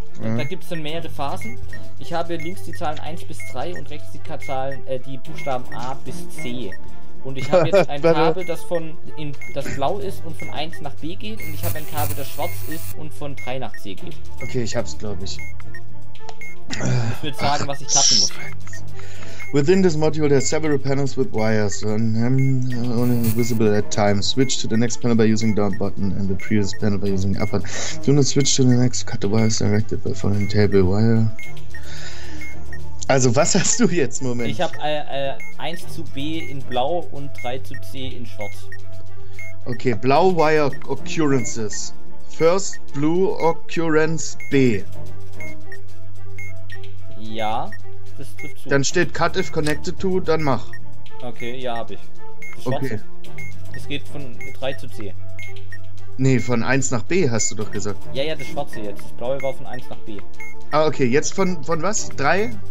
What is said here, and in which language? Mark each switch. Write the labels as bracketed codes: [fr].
[de] Da gibt es dann mehrere Phasen. Ich habe links die Zahlen 1 bis 3 und rechts die Zahlen, die Buchstaben A bis C. Und ich habe jetzt ein Kabel, das von in das blau ist und von 1 nach B geht. Und ich habe ein Kabel, das schwarz ist und von 3 nach C geht. Okay, ich hab's, glaube ich. Ich würde sagen, was ich klappen muss. [en] Within this module, there are several panels with wires, only visible at times. Switch to the next panel by using down button and the previous panel by using up button. Do not switch to the next, cut the wires directed by following table wire. [de] Also, was hast du jetzt, Moment? Ich habe 1 zu B in blau und 3 zu C in schwarz. [en] Okay, [de] blau [en] wire occurrences. First blue occurrence B. [de] Ja. Das trifft zu. Dann steht [en] cut if connected to, [de] dann mach. Okay, ja, hab ich. Das okay. Schwarze. Es geht von 3 zu C. Nee, von 1 nach B hast du doch gesagt. Ja, ja, das schwarze jetzt. Das blaue war von 1 nach B. Ah, okay, jetzt von was? 3?